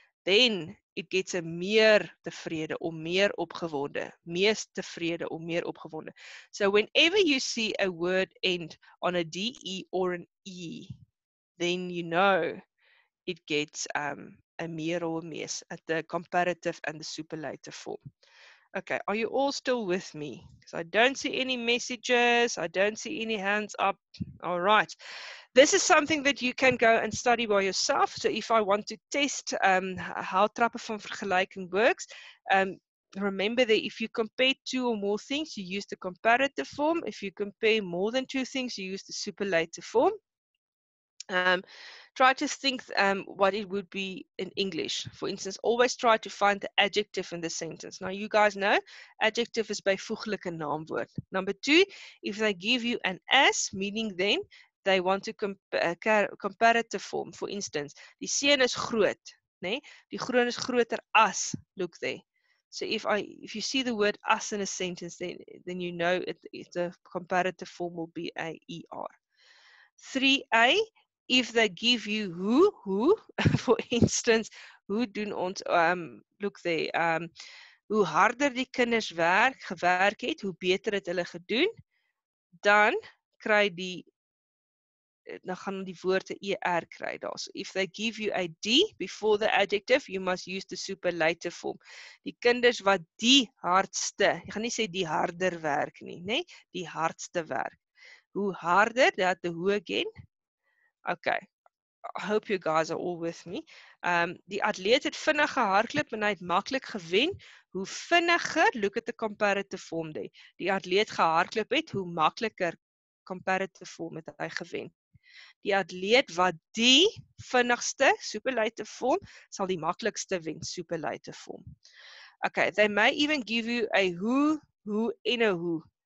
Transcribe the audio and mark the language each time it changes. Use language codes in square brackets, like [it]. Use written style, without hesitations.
[en] then it gets a meer tevrede or meer opgewonde, mees tevrede or meer opgewonde. So whenever you see a word end on a D-E or an E, then you know it gets a meer or a mees at the comparative and the superlative form. Okay, are you all still with me? Because I don't see any messages. I don't see any hands up. All right. This is something that you can go and study by yourself. So if I want to test how trappen van vergelijking works, remember that if you compare two or more things, you use the comparative form. If you compare more than two things, you use the superlative form. Try to think what it would be in English. For instance, always try to find the adjective in the sentence. Now, you guys know, adjective is bijvoeglijke naamwoord. Number two, if they give you an S, meaning then, they want to comparative form. For instance, [af] die seun is groot. Nee? Die groen is groter as, [en] look there. So if you see the word as in a sentence, then you know it, the comparative form will be a er. 3a, if they give you who, for instance, [af] hoe doen ons, [en] look there, [af] hoe harder die kinders werk, gewerk het, hoe beter het hulle gedoen, dan kry die, dan gaan die woord die er kry daar. [en] So if they give you a D before the adjective, you must use the superlative form. [af] Die kinders wat die hardste, jy gaan nie sê die harder werk nie, nee, die hardste werk. Hoe harder, [en] dat the hoe again. Okay, I hope you guys are all with me. [af] Die atleet het vinnig gehardloop en hy het makkelijk gewen. Hoe vinniger, [en] look at the comparative form there. [af] Die atleet gehardloop het, hoe makkeliker [en] comparative form [af] het hy gewen. Die atleet wat die vinnigste, [en] superlative form, [af] sal die makkelijkste wen, superlative form. [en] Okay, they may even give you a who en a hoe.